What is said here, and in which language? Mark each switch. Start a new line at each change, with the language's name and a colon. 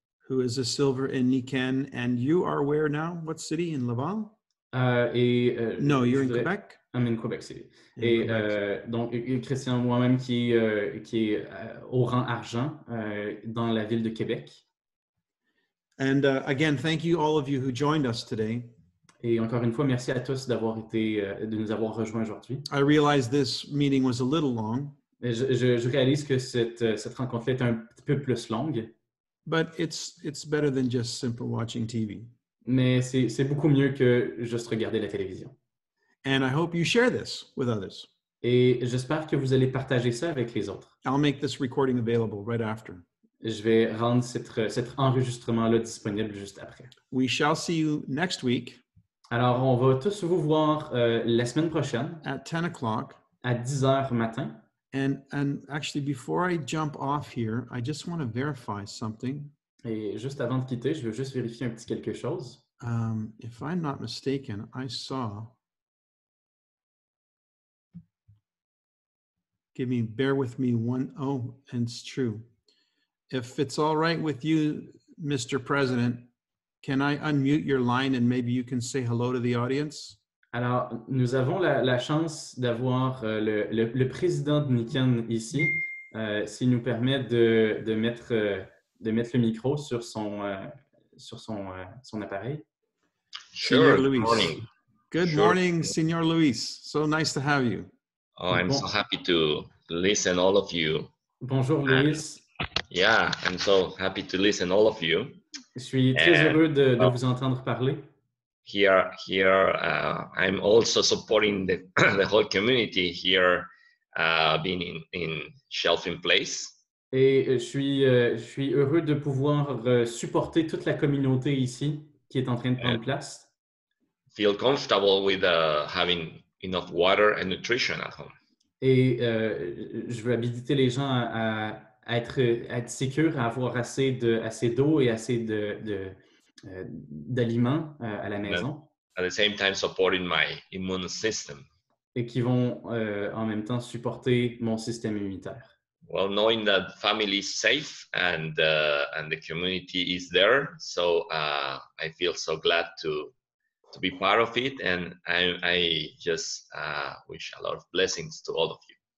English: Who is a silver in Nikon. And you are where now? What city? In Laval? You're in Quebec. I'm in Quebec City.
French: Donc Christian, moi-même qui est au rang argent dans la ville de Québec.
English: And again, thank you all of you who joined us today.
French: Et encore une fois, merci à tous d'avoir été de nous avoir rejoints aujourd'hui.
English: I realize this meeting was a little long.
French: Je réalise que cette rencontre est un peu plus longue.
English: But it's better than just simple watching TV.
French: Mais c'est beaucoup mieux que juste regarder la télévision.
English: And I hope you share this with others.
French: Et j'espère que vous allez partager ça avec les autres.
English: I'll make this recording available right after.
French: Je vais rendre cet enregistrement-là disponible juste après.
English: We shall see you next week.
French: Alors, on va tous vous voir la semaine prochaine.
English: At 10 o'clock.
French: À 10 heures matin.
English: And actually, before I jump off here, I just want to verify something.
French: Et juste avant de quitter, je veux juste vérifier un petit quelque chose.
English: If I'm not mistaken, I saw... bear with me one... Oh, and it's true. If it's all right with you, Mr. President, can I unmute your line and maybe you can say hello to the audience?
French: Alors, nous avons la chance d'avoir le président de Nikon ici, s'il nous permet de mettre le micro sur son appareil.
English: Sure, Luis. Good morning. Good morning, Señor Luis. So nice to have you. Oh, I'm so happy to listen all of you.
French: Bonjour, Luis.
English: Yeah, I'm so happy to listen all of you.
French: Je suis très heureux de vous entendre parler.
English: Here, I'm also supporting the whole community here, being in shelf in place.
French: Et je suis heureux de pouvoir supporter toute la communauté ici qui est en train de prendre place.
English: Feel comfortable with having enough water and nutrition at home.
French: Et je veux habiliter les gens à être sûrs, à avoir assez d'eau et assez de d'aliments à la maison.
English: At the same time supporting my immune system.
French: Et qui vont en même temps supporter mon système immunitaire.
English: Well, knowing that family is safe and the community is there, so I feel so glad to be part of it, and I just wish a lot of blessings to all of you.